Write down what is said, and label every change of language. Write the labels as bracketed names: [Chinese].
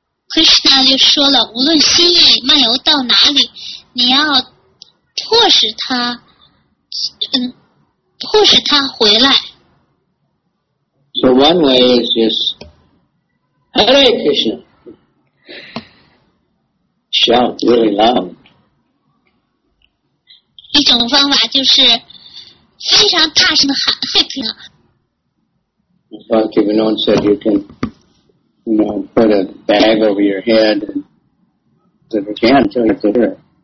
[Chinese] Krishna 就说了，无论心意漫游到哪里，你要迫使它，迫使它回来。 [English] So one way is just Hare Krishna, shout really loud. [Chinese] 一种方法就是非常大声的喊嗨克拉。 [English] Bhakti Vinod said you can, you know, put a bag over your head and if you can, until you can hear it.